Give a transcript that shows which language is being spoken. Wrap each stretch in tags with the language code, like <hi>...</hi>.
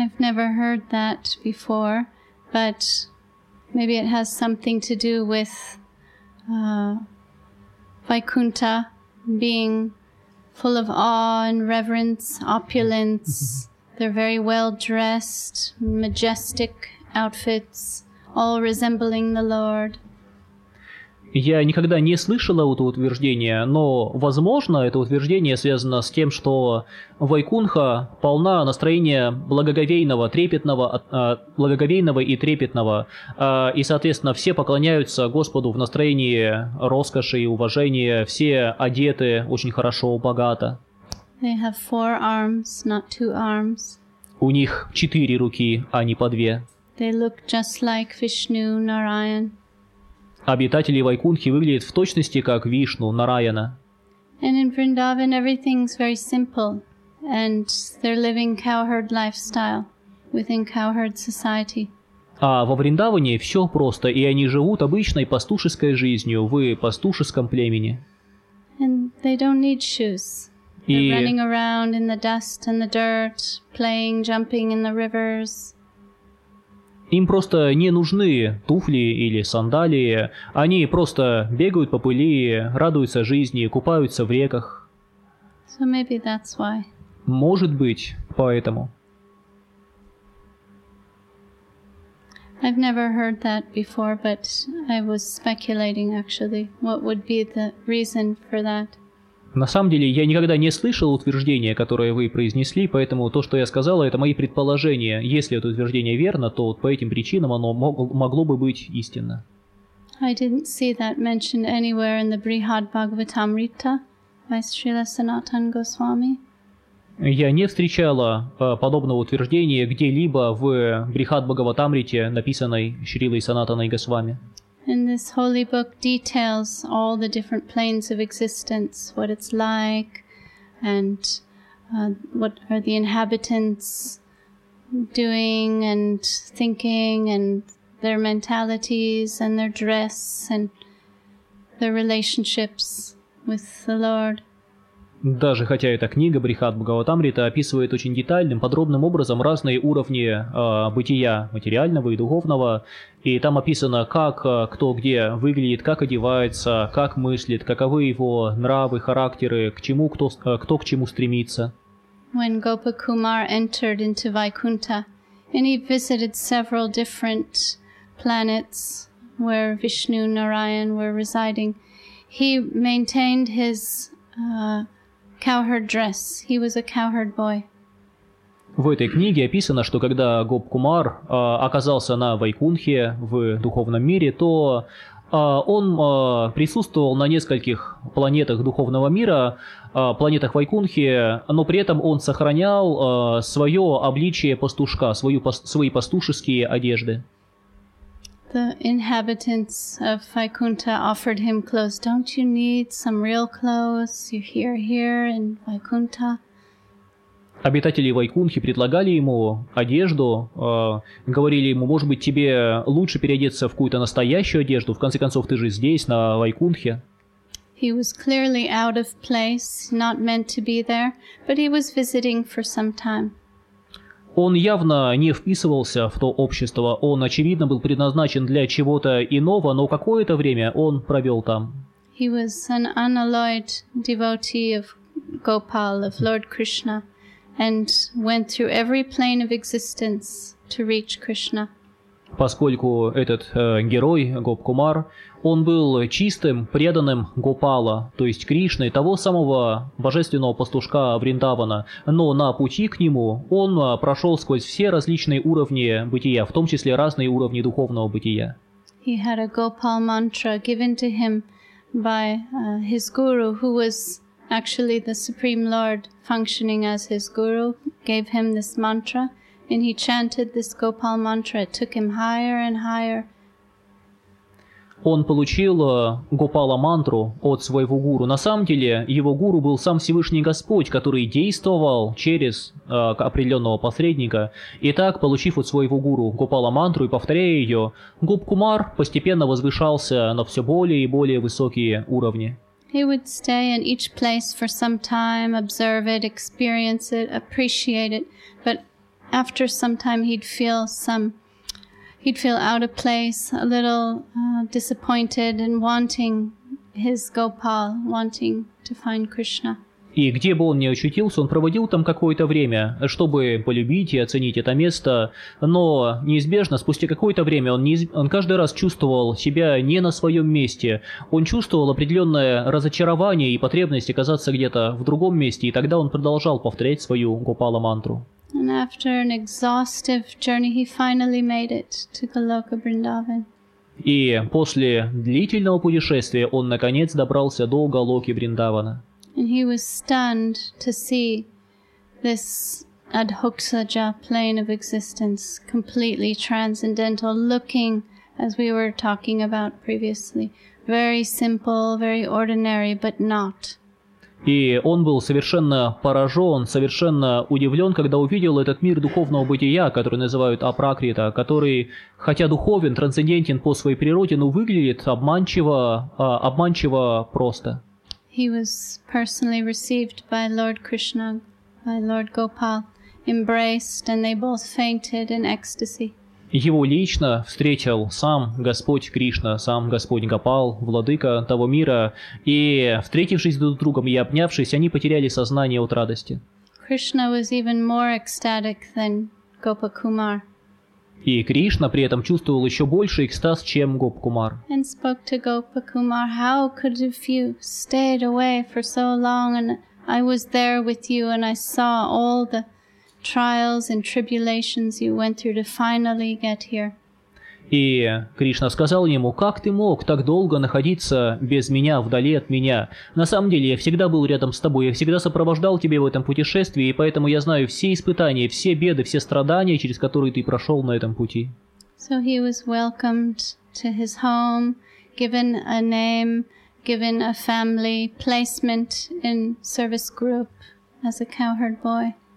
<en>I've never heard that before, but maybe it has something to do with Vaikuntha being full of awe and reverence, opulence. Mm-hmm. They're very well dressed, majestic outfits, all resembling the Lord.</en> <ru>Я никогда не слышала это утверждение, но, возможно, это утверждение связано с тем, что Вайкунха полна настроения благоговейного, трепетного, благоговейного и трепетного, и, соответственно, все поклоняются Господу в настроении роскоши и уважения, все одеты очень хорошо, богато.</ru> <en>They have four arms, not two arms.</en> <ru>У них четыре руки, а не по две.</ru> <en>They look just like Vishnu, Narayan.</en> <ru>Обитатели Вайкунхи выглядят в точности как Вишну, Нараяна.</ru> <en>And in Vrindavan everything's very simple, and they're living cowherd lifestyle within cowherd society.</en> <ru>А во Вриндаване все просто, и они живут обычной пастушеской жизнью в пастушеском племени.</ru> <en>And they don't need shoes. They're running around in the dust and the dirt, playing, jumping in the rivers.</en> <ru>Им просто не нужны туфли или сандалии. Они просто бегают по пыли, радуются жизни, купаются в реках.</ru> <en>So maybe that's why.</en> <ru>Может быть, поэтому.</ru> <en>I've never heard that before, but I was speculating actually. What would be the reason for that?</en> <ru>На самом деле, я никогда не слышал утверждения, которое вы произнесли, поэтому то, что я сказал, это мои предположения. Если это утверждение верно, то вот по этим причинам оно могло бы быть истинно.</ru> <en>I didn't see that mentioned anywhere in the Brihad Bhagavatamrita by Srila Sanatana Goswami.</en> <ru>Я не встречала подобного утверждения где-либо в Брихад Бхагаватамрите, написанной Шрилой Санатаной Госвами.</ru> <en>And this holy book details all the different planes of existence, what it's like, and what are the inhabitants doing and thinking, and their mentalities, and their dress, and their relationships with the Lord.</en> <ru>Даже хотя эта книга Брихат Бхагаватамрита описывает очень детальным, подробным образом разные уровни бытия материального и духовного, и там описано, как кто где выглядит, как одевается, как мыслит, каковы его нравы, характеры, к чему кто к чему стремится.</ru> <en>When Gopakumar entered into Vaikuntha, and he visited several different planets where Vishnu and Narayan were residing, he maintained his cowherd dress. He was a cowherd boy.</en> <ru>В этой книге описано, что когда Гопкумар оказался на Вайкунхе в духовном мире, то он присутствовал на нескольких планетах духовного мира, планетах Вайкунхи, но при этом он сохранял свое обличие пастушка, свои пастушеские одежды.</ru> <en>The inhabitants of Vaikuntha offered him clothes. Don't you need some real clothes? You're here in Vaikuntha.</en> <ru>Обитатели Вайкунхи предлагали ему одежду, говорили ему, может быть, тебе лучше переодеться в какую-то настоящую одежду, в конце концов, ты же здесь, на Вайкунхе.</ru> <en>He was clearly out of place, not meant to be there, but he was visiting for some time.</en> <ru>Он явно не вписывался в то общество, он, очевидно, был предназначен для чего-то иного, но какое-то время он провел там.</ru> <en>He was an unalloyed devotee of Gopal, of Lord Krishna. And went through every plane of existence to reach Krishna.</en> <ru>Поскольку этот герой Гопкумар, он был чистым преданным Гопала, то есть Кришны, того самого божественного пастушка Вриндавана, но на пути к нему он прошел сквозь все различные уровни бытия, в том числе разные уровни духовного бытия.</ru> <en>He had a Gopal mantra given to him by his guru, who was actually, the Supreme Lord, functioning as his guru, gave him this mantra, and he chanted this Gopal mantra. It took him higher and higher.</en> <ru>Он получил Гопала мантру от своего гуру. На самом деле, его гуру был сам Всевышний Господь, который действовал через определенного посредника. И так, получив от своего гуру Гопала мантру и повторяя ее, Гопкумар постепенно возвышался на все более и более высокие уровни.</ru> <en>He would stay in each place for some time, observe it, experience it, appreciate it. But after some time, he'd feel out of place, a little disappointed, and wanting his Gopal, wanting to find Krishna.</en> <ru>И где бы он ни очутился, он проводил там какое-то время, чтобы полюбить и оценить это место. Но неизбежно, спустя какое-то время, он каждый раз чувствовал себя не на своем месте. Он чувствовал определенное разочарование и потребность оказаться где-то в другом месте. И тогда он продолжал повторять свою Гопала мантру.</ru> <en>And after an exhaustive journey, he finally made it to Goloka Vrindavan.</en> <ru>И после длительного путешествия он наконец добрался до Голоки Вриндавана.</ru> <en>And he was stunned to see this Adhoksaja plane of existence, completely transcendental, looking, as we were talking about previously, very simple, very ordinary, but not.</en> <ru>И он был совершенно поражен, совершенно удивлен, когда увидел этот мир духовного бытия, который называют Апракрита, который, хотя духовен, трансцендентен по своей природе, но выглядит обманчиво просто.</ru> <en>He was personally received by Lord Krishna, by Lord Gopal, embraced, and they both fainted in ecstasy.</en> <ru>Его лично встретил сам Господь Кришна, сам Господь Гопал, владыка того мира, и, встретившись друг с другом и обнявшись, они потеряли сознание от радости.</ru> <en>Krishna was even more ecstatic than Gopakumar.</en> <ru>И Кришна при этом чувствовал еще больше экстаз, чем Гопкумар.</ru> <en>And spoke to Gopakumar, how could you stayed away for so long, and I was there with you, and I saw all the trials and tribulations you went through to finally get here.</en> <ru>И Кришна сказал ему, как ты мог так долго находиться без меня, вдали от меня? На самом деле, я всегда был рядом с тобой, я всегда сопровождал тебя в этом путешествии, и поэтому я знаю все испытания, все беды, все страдания, через которые ты прошел на этом пути.</ru> <en>So he was welcomed to his home, given a name, given a family, placement in service group as a cowherd boy.</en>